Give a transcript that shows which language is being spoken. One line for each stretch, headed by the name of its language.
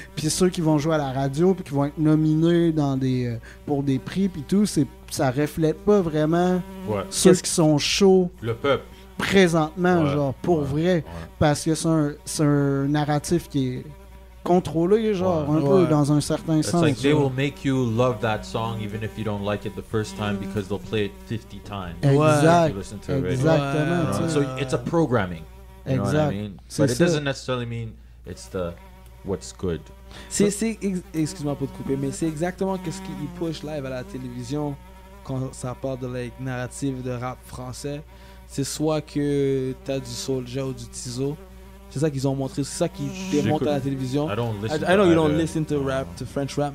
French: Puis ceux qui vont jouer à la radio, puis qui vont être nominés dans pour des prix, puis tout, ça reflète pas vraiment ceux qui sont chauds. Le peuple. Présentement, vrai. Ouais. Parce que c'est un narratif qui est contrôlé, peu dans un certain sens.
English: It's like they will make you love that song even if you don't like it the first time because they'll play it 50 times.
French: Exactement.
English: So it's a programming. But it doesn't necessarily mean it's the what's good.
French: Excuse-moi pour te couper, mais c'est exactement ce qu'ils push live à la télévision quand ça parle de la narrative de rap français. C'est soit que t'as du Soulja ou du Tizo. C'est ça qu'ils ont montré. C'est ça qu'ils démontrent à la télévision.
English: I don't listen to French rap,